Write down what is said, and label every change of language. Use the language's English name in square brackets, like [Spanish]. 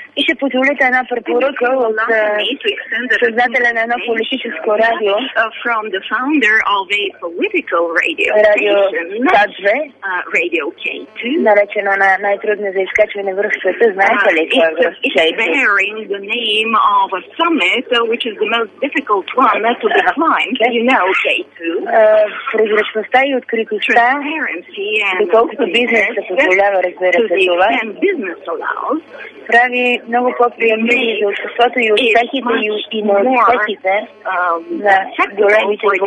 [Bulgarian] И ще позволите една препоръка от създателя на едно политическо радио. [English] From the founder of a political radio. [Bulgarian] Радио Кадзве. [English] Radio K2. [Bulgarian] Наречено на най-трудно за изкачване връх света. Знаете ли това? [English] It's bearing the name of a summit, which is the most difficult one to decline. You know, K2. [Bulgarian] Прозрачността и откритостта. Доколкото бизнес се позволява, разбира се това. [English] And business allows. [Bulgarian] Прави много по-приемливи за обществото и успехите и на успехите на големите